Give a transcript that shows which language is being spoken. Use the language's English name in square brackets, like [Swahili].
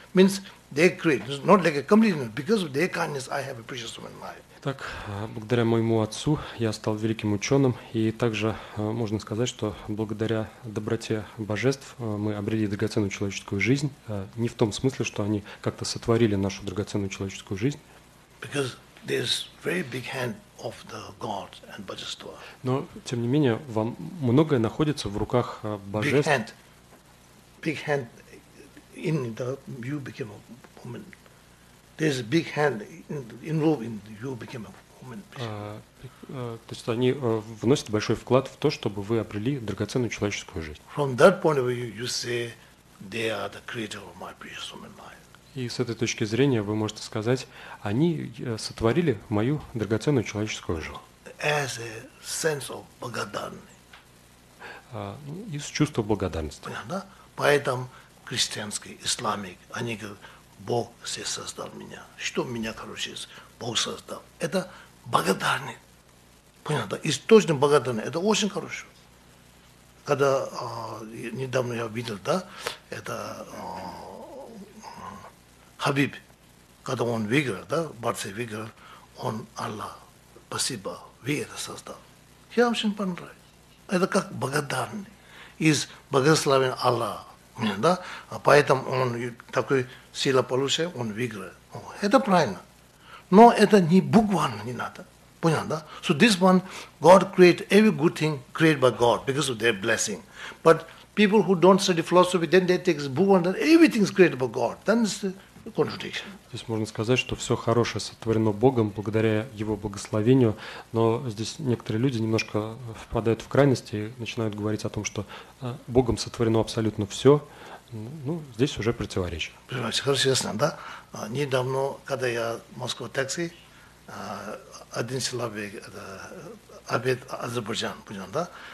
[English] Means they create, not like a complete, because of their kindness, I have a precious human life. [Russian] Так, благодаря моему отцу я стал великим ученым, и также можно сказать, что благодаря доброте божеств мы обрели драгоценную человеческую жизнь. Не в том смысле, что они как-то сотворили нашу драгоценную человеческую жизнь. [English] Because there's very big hand of the God and Bajastva. [Russian] Но тем не менее, вам многое находится в руках божеств. [English] Big hand in the, you became a woman. There's a big hand involved in you became a woman. [Russian] То есть они вносят большой вклад в то, чтобы вы обрели драгоценную человеческую жизнь. [English] From that point of view, you say they are the creator of my precious human life. [Russian] И с этой точки зрения вы можете сказать, они сотворили мою драгоценную человеческую жизнь. [English] As a sense of благодарности. [Russian] Из чувства благодарности. Да? Поэтому христианский, исламик, они говорят, Бог все создал меня. Что меня, короче, Бог создал? Это благодарный. Понятно? Источник благодарный. Это очень хорошо. Когда недавно я видел, да, это Хабиб, когда он выиграл, да, борцы выиграл, он Аллах, спасибо, вы это создал. Я очень понравился. Это как благодарный, из благословен Аллах. Да? А поэтому он такой сила получает, он выиграет. О, это правильно. Но это не буквально не надо. Понятно, да? [English] So this one, God create every good thing created by God because of their blessing. But people who don't study philosophy, then they take буквально, that everything is created by God. Then it's the contradiction. [Russian] Здесь можно сказать, что все хорошее сотворено Богом благодаря Его благословению, но здесь некоторые люди немножко впадают в крайности и начинают говорить о том, что Богом сотворено абсолютно все. Ну, здесь уже противоречие. Понимаете, хорошо, ясно, да? Недавно, когда я в Москве такси, один человек, обед Азербайджан, понял, да?